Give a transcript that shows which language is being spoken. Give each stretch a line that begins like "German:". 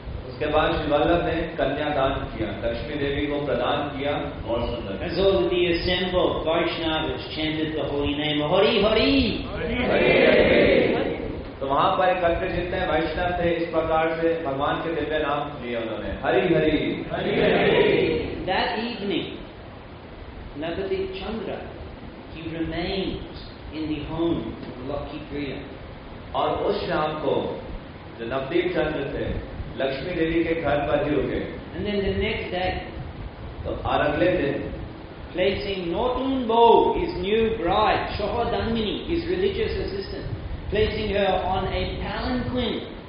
Hindi: उसके बाद श्री वल्लभ ने कन्यादान किया लक्ष्मी देवी को प्रदान किया और सुंदर
English: As all the assembled Vaishnavas chanted the holy name, Hari Hari! Hari Hari!
Hindi: तो वहां पर एकत्र जितने वैष्णव थे इस प्रकार से भगवान के दिव्य नाम लिए उन्होंने Hari Hari Hari Hari
English: That evening, Nagadeep Chandra, he remained in the home of Lucky Priya.
Hindi: और उस शाम को जो नवदीप चंद्र थे लक्ष्मी देवी के घर पर ही उठे
English: and then the next day
Hindi: तो और अगले दिन
English: placing नॉटन bow his new bride शोहदंगिनी his religious assistant placing her on a palanquin